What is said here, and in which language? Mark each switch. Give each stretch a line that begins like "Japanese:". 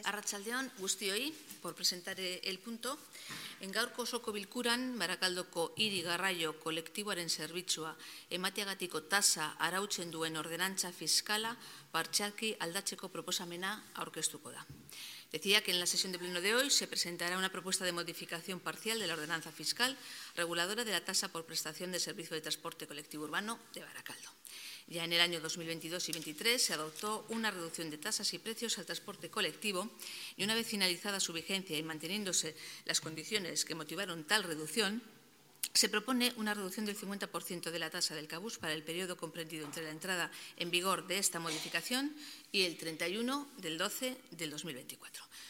Basque: arratsaldeon guztioi
Spanish: por presentar el punto.
Basque: En gaurko osoko bilkuran, Barakaldoko hiri garraio kolektiboaren zerbitzua emateagatiko tasa arautzen duen ordenantza fiskala partxalki aldatzeko proposamena aurkeztuko da.
Spanish: Decía que en la sesión de pleno de hoy se presentará una propuesta de modificación parcial de la ordenanza fiscal reguladora de la tasa por prestación de servicio de transporte colectivo urbano de Barakaldo. Ya en el año 2022 y 2023 se adoptó una reducción de tasas y precios al transporte colectivo y una vez finalizada su vigencia y manteniéndose las condiciones que motivaron tal reducción, se propone una reducción del 50% de la tasa del cabús para el periodo comprendido entre la entrada en vigor de esta modificación y el 31/12/2024.